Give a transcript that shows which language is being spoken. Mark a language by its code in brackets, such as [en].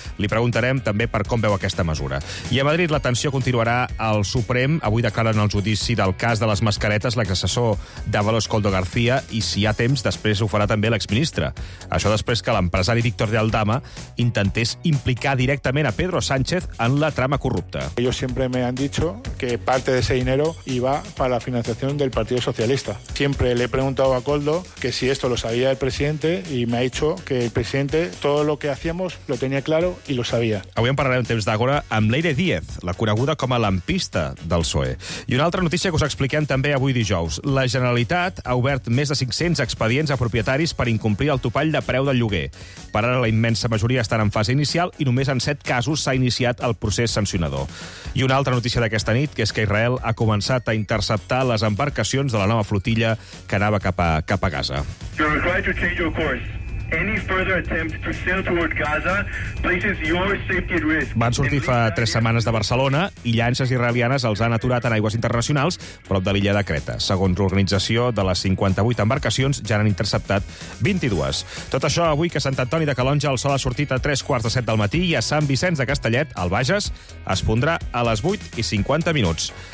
[ca] Li preguntarem també per com veu aquesta mesura. I a Madrid la tensió continuarà al Suprem. Avui declaren el judici del cas de les mascaretes l'exassessor d'Avalos Coldo García, i si hi ha temps, després ho farà també l'exministre. Això després que l'empresari Víctor de Aldama intentés implicar directament a Pedro Sánchez en la trama corrupta. [es] Ellos siempre me han dicho que parte de ese dinero iba para la financiación del Partido Socialista. Siempre le he preguntado a Coldo que si esto lo sabía el presidente, y me ha dicho que el presidente todo lo que hacíamos lo tenía claro y lo sabía. [ca] Avui en parlarem temps d'àgora amb Leire Díez, la coneguda com a lampista del PSOE. I una altra notícia que us expliquem també avui dijous. La Generalitat ha obert més de 500 expedients a propietaris per incomplir el topall de preu del lloguer. Per ara la immensa majoria estan en fase inicial i només en 7 casos s'ha iniciat el procés sancionador. I una altra notícia d'aquesta nit, que és que Israel ha començat a interceptar les embarcacions de la nova flotilla que anava cap a Gaza. [en] You're required to change your course. Any further attempt to sail toward Gaza places your safety at risk. [ca] Van sortir fa 3 setmanes de Barcelona i llanxes israelianes els han aturat en aigües internacionals prop de l'illa de Creta. Segons l'organització, de les 58 embarcacions ja n'han interceptat 22. Tot això avui, que Sant Antoni de Calonge, el sol ha sortit a 6:45 del matí, i a Sant Vicenç de Castellet, al Bages, es pondrà a les 8:50 minuts.